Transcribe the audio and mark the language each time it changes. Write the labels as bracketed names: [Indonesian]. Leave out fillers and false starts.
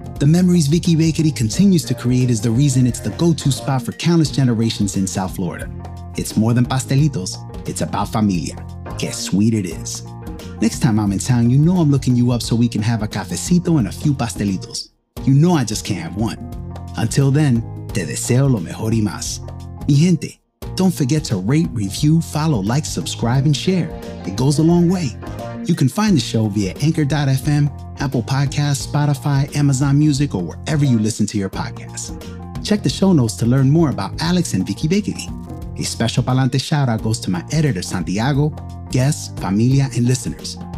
[English] The memories Vicky Bakery continues to create is the reason it's the go-to spot for countless generations in South Florida. It's more than pastelitos, it's about familia. Qué sweet it is. Next time I'm in town, you know I'm looking you up so we can have a cafecito and a few pastelitos. You know I just can't have one. [Spanish] Until then, te deseo lo mejor y más. Mi gente, [English] don't forget to rate, review, follow, like, subscribe, and share. It goes a long way. You can find the show via Anchor.fm, Apple Podcasts, Spotify, Amazon Music, or wherever you listen to your podcasts. Check the show notes to learn more about Alex and Vicky Bakery. A special Palante shout out goes to my editor, Santiago, guests, familia, and listeners.